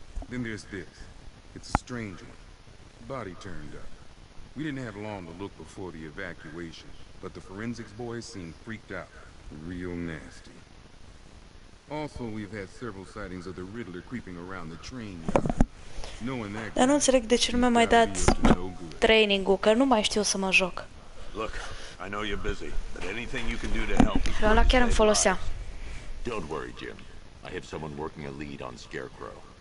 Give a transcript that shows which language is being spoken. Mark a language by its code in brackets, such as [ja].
[en] Then there's this. It's a strange one. Body turned up. We didn't have long to look before the evacuation, but the forensics boys seemed freaked out. Real nasty. Also, we've had several sightings of the Riddler creeping around the train yard. [ro] Knowing that, dar nu înțeleg de ce nu mi-a mai dat training-ul, că nu mai știu să mă joc. [en] Look, I know you're busy, but anything you can do to help. [ro] Ăla chiar îmi folosea. [en] Don't worry, Jim. I have someone working a lead on Scarecrow.